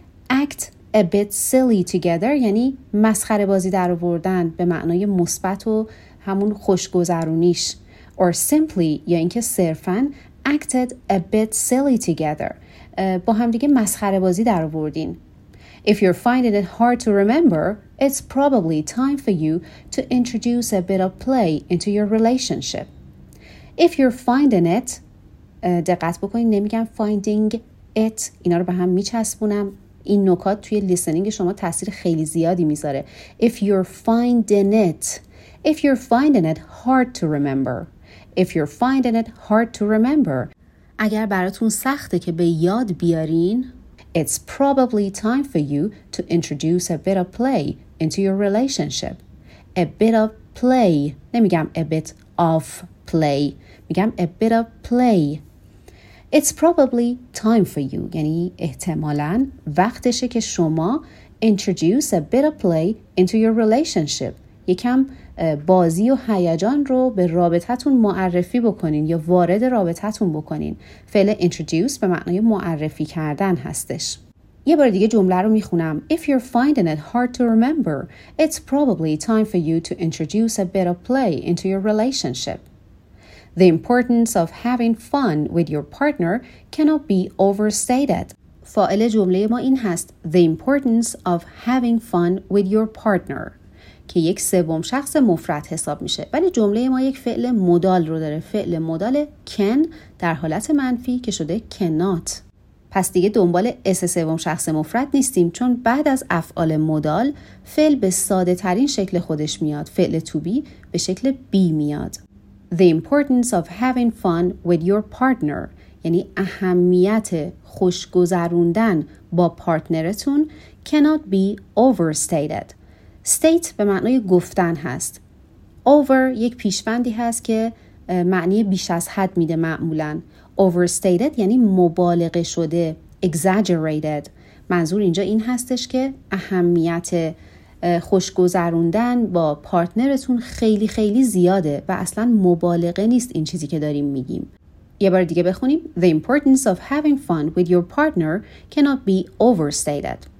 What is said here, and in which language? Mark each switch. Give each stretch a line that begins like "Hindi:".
English: Act a bit silly together
Persian: یعنی مسخره بازی در آوردن به معنای مثبت و همون خوشگذرونیش.
English: Or simply
Persian: یا اینکه صرفاً
English: acted a bit silly together
Persian: با همدیگه مسخره بازی در آوردین.
English: If you're finding it hard to remember, it's probably time for you to introduce a bit of play into your relationship. If you're finding it,
Persian: دقت بکنید نمیگم
English: finding
Persian: ات، اینا رو به هم میچسبونم. این نکات توی لیسنینگ شما تاثیر خیلی زیادی میذاره.
English: If you're finding it, if you're finding it hard to remember, if you're finding it hard to remember.
Persian: اگر براتون سخته که به یاد بیارین،
English: it's probably time for you to introduce a bit of play into your relationship. A bit of play.
Persian: نمیگم
English: a bit of play.
Persian: میگم
English: a bit of play. It's probably time for you.
Persian: یعنی احتمالاً وقتشه که شما
English: introduce a bit of play into your relationship.
Persian: یکم بازی و هیجان رو به رابطتون معرفی بکنین یا وارد رابطتون بکنین. فعل introduce به معنی معرفی کردن هستش. یه بار دیگه جمله رو میخونم.
English: If you're finding it hard to remember, it's probably time for you to introduce a bit of play into your relationship. The importance of having fun with your partner cannot be overstated.
Persian: فاعل جمله ما این هست.
English: The importance of having fun with your partner.
Persian: که یک سوم شخص مفرد حساب میشه. ولی جمله ما یک فعل مدال رو داره. فعل مدال can در حالت منفی که شده cannot. پس دیگه دنبال اس سوم شخص مفرد نیستیم، چون بعد از افعال مدال فعل به ساده ترین شکل خودش میاد. فعل to be به شکل be میاد.
English: The importance of having fun with your partner.
Persian: یعنی اهمیت خوشگذروندن با پارتنرتون
English: cannot be overstated.
Persian: State به معنای گفتن هست. Over یک پیشوندی هست که معنی بیش از حد میده معمولاً. Overstated یعنی مبالغه شده. Exaggerated. منظور اینجا این هستش که اهمیت خوشگذروندن با پارتنرتون خیلی خیلی زیاده و اصلا مبالغه نیست این چیزی که داریم میگیم. یه بار دیگه بخونیم.
English: The importance of having fun with your partner cannot be overstated.